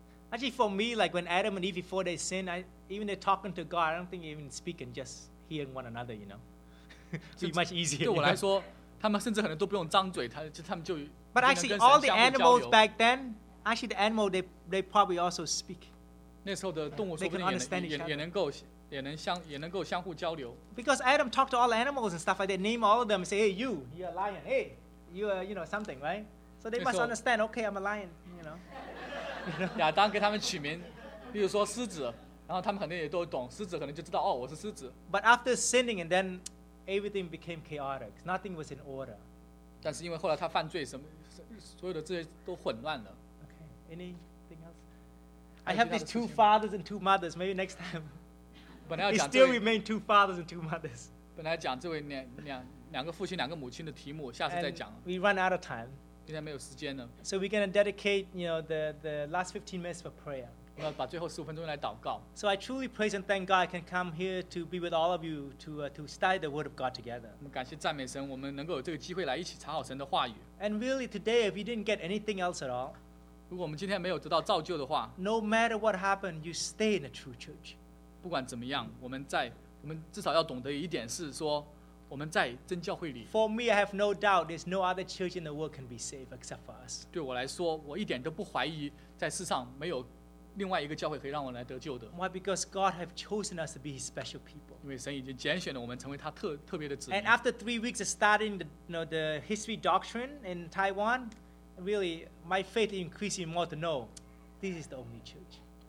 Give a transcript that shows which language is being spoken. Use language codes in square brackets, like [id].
[en] Actually, for me, like when Adam and Eve before they sin, even they're talking to God, I don't think they even speak and just hearing one another, you know. It's much easier. [zh] 对我来说, 他们甚至可能都不用张嘴, 他们就, [en] but actually, all the animals back then. Actually, the animal, they probably also speak. [zh] 那时候的动物说不定也能够相互交流。 [en] Because Adam talked to all the animals and stuff like that, name all of them, say, hey, you're a lion. Hey, you're, you know, something, right? So they must understand, okay, I'm a lion, you know. [zh] 亚当给他们取名, 比如说狮子, 然后他们肯定也都懂,狮子可能就知道, 哦, 我是狮子。 [en] But after sinning, and then everything became chaotic. Nothing was in order. [zh] 但是因为后来他犯罪, 所有的这些都混乱了。 [en] Anything else? I have these two fathers and two mothers. Maybe next time. It still remain two fathers and two mothers. [zh] 本来讲这位两个父亲两个母亲的题目, 下次再讲。 [en] We run out of time. [zh] 现在没有时间了。 [en] So we're going to dedicate, you know, the last 15 minutes for prayer. [zh] 我要把最后15分钟来祷告。 [en] So I truly praise and thank God I can come here to be with all of you to study the Word of God together. [zh] 感谢赞美神, 我们能够有这个机会来一起查好神的话语。 [en] And really, today, if you didn't get anything else at all, [zh] 如果我们今天没有得到造就的话, [en] no matter what happened, you stay in the true church. [zh] 不管怎么样, 我们至少要懂得一点是说, 我们在真教会里。 [en] For me, I have no doubt there's no other church in the world can be saved except for us. [zh] 对我来说, 我一点都不怀疑, 在世上没有另外一个教会可以让我来得救的。 [en] Why? Because God has chosen us to be His special people. [zh] 因为神已经拣选了我们成为他特别的子民。 [en] And after 3 weeks of studying the, you know, the history doctrine in Taiwan, really, my faith increasing more to know this is the only church.